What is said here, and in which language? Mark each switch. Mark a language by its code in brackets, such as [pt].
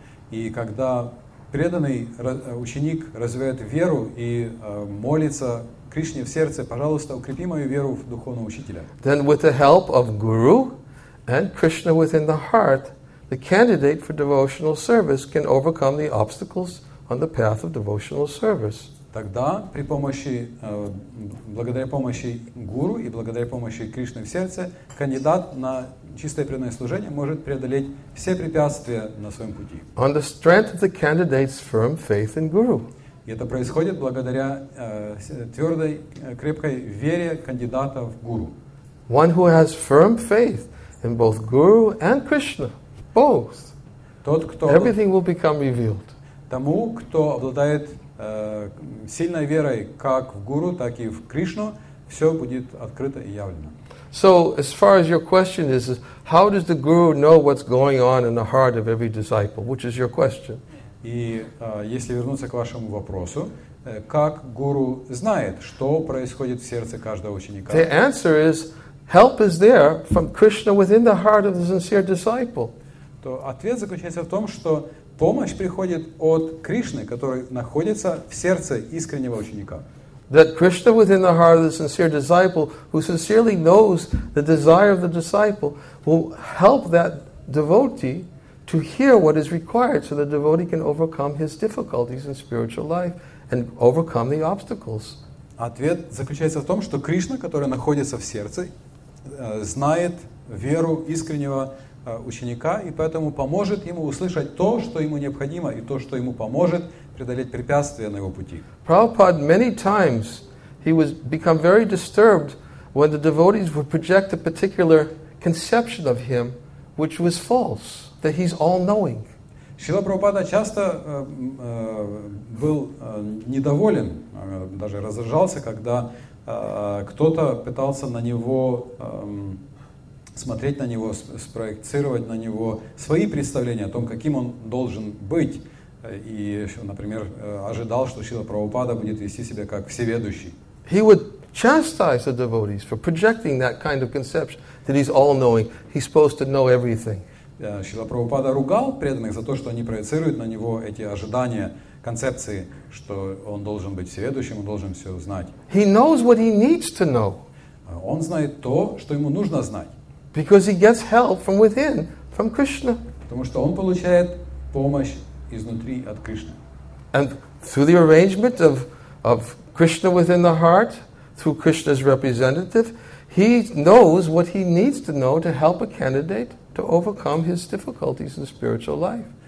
[ru] И когда преданный ученик развивает веру и молится Кришне в сердце, пожалуйста, укрепи мою веру в духовного учителя. [en] Then with the help of guru and Krishna within the heart, the candidate for devotional service can overcome the obstacles on the path of devotional service. [ru] Тогда благодаря помощи гуру и благодаря помощи Кришны в сердце, кандидат на чистое преданное служение может преодолеть все препятствия на своем пути. [en] On the strength of the candidate's firm faith in guru. [ru] И это происходит благодаря твердой, крепкой вере кандидата в гуру. [en] One who has firm faith in both guru and Krishna, both. [ru] Тот, кто... [en] Everything will become revealed. [ru] Тому, кто обладает сильной верой как в гуру, так и в Кришну, все будет открыто и явлено. [en] So, as far as your question is, how does the guru know what's going on in the heart of every disciple, which is your question? [ru] И если вернуться к вашему вопросу, как гуру знает, что происходит в сердце каждого ученика? [en] The answer is, help is there from Krishna within the heart of the sincere disciple. [ru] То ответ заключается в том, что помощь приходит от Кришны, который находится в сердце искреннего ученика. [en] That Krishna within the heart of the sincere disciple, who sincerely knows the desire of the disciple, will help that devotee to hear what is required so the devotee can overcome his difficulties in spiritual life and overcome the obstacles. [ru] Ответ заключается в том, что Кришна, который находится в сердце, знает веру искреннего ученика и поэтому поможет ему услышать то, что ему необходимо, и то, что ему поможет преодолеть препятствия на его пути. [en] Prabhupada many times he was become very disturbed when the devotees would project a particular conception of him which was false, that he's all-knowing. [ru] Шрила Прабхупада часто был недоволен, даже раздражался, когда кто-то пытался на него смотреть на него, спроецировать на него свои представления о том, каким он должен быть. И, например, ожидал, что Шрила Прабхупада будет вести себя как всеведущий. [en] He would chastise the devotees for projecting that kind of conception that he's all-knowing, he's supposed to know everything. [ru] Шрила Прабхупада ругал преданных за то, что они проецируют на него эти ожидания, концепции, что он должен быть всеведущим, он должен все знать. [en] He knows what he needs to know. [ru] Он знает то, что ему нужно знать. [en] Because he gets help from within, from Krishna. [ru] Потому что он получает помощь изнутри от Кришны. [en] And through the arrangement of Krishna within the heart, through Krishna's representative, he knows what he needs to know to help a candidate to overcome his difficulties in spiritual life.